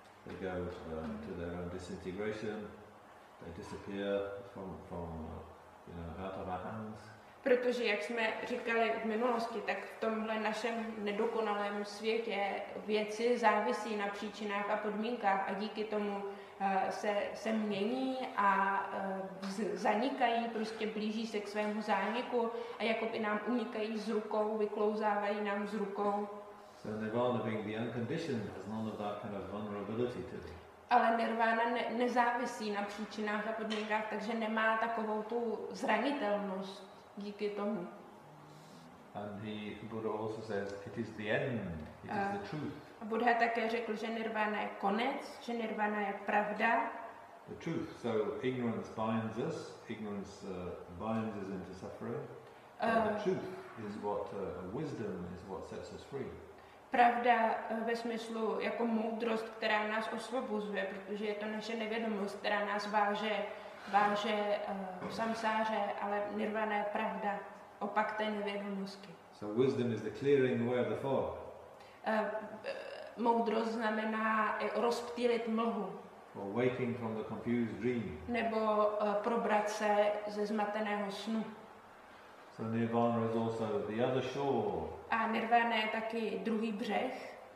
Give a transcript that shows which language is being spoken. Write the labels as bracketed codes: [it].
[en] They go to their own disintegration. They disappear from out of our hands. [cs] Protože jak jsme říkali v minulosti, tak v tomhle našem nedokonalém světě věci závisí na příčinách a podmínkách a díky tomu se mění a zanikají, prostě blíží se k svému zániku a jakoby nám unikají z rukou, vyklouzávají nám z rukou. [en] So Nirvana being the unconditioned has none of that kind of vulnerability to it. [cs] Ale Nirvana nezávisí na příčinách a podmínkách, takže nemá takovou tu zranitelnost. Díky tomu. [en] And the Buddha also says it is the end, it is the truth. [cs] A Buddha také řekl, že Nirvana je konec, že Nirvana je pravda. [en] The truth. So ignorance binds us. Ignorance binds us into suffering. The truth is what wisdom is what sets us free. [cs] Pravda ve smyslu jako moudrost, která nás osvobozuje, protože je to naše nevědomost, která nás váže samsáře, ale Nirvana je pravda, opak té nevědomosti. [en] So wisdom is the clearing away of the fog. [cs] Moudrost znamená rozptýlit mlhu. [en] Or waking from the confused dream. [cs] Nebo probrat se ze zmateného snu. [en] So nirvana is also the other shore. [cs] A nirvana je taky druhý břeh.